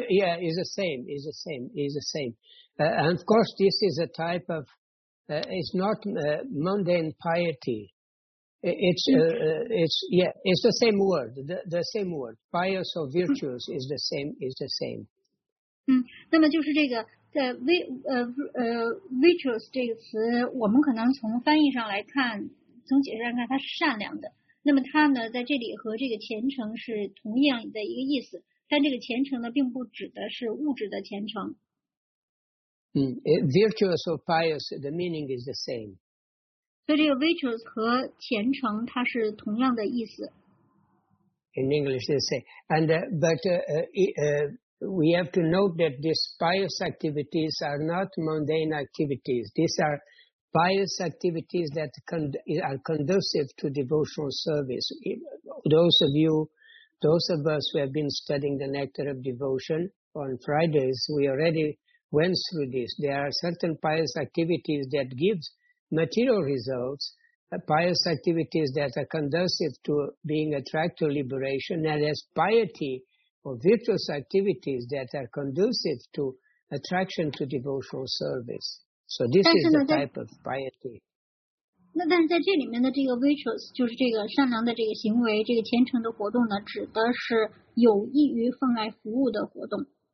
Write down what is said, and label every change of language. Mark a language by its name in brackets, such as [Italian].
[English] Yeah, it's the same. And of course, this is a type of, it's not mundane piety. It's the same word, the same word, pious or virtuous is the same. [Chinese] 那么就是这个virtuous 这个词，我们可能从翻译上来看，从解释上看， 它是善良的。那么它呢，在这里和这个虔诚是同样的一个意思，但这个虔诚呢，并不指的是物质的虔诚。 [English] Virtuous or pious, the meaning is the same. [Chinese] 所以这个 virtuous 和虔诚它是同样的意思。 [English] In English, they say, and we have to note that these pious activities are not mundane activities. These are pious activities that are conducive to devotional service. Those of us who have been studying the Nectar of Devotion on Fridays, we already went through this. There are certain pious activities that give material results, pious activities that are conducive to being attracted to liberation, and as piety or virtuous activities that are conducive to attraction to devotional service. So this is the type of piety. [Chinese] 那但是在这里面的这个 virtuous 就是这个善良的这个行为，这个虔诚的活动呢，指的是有益于奉爱服务的活动。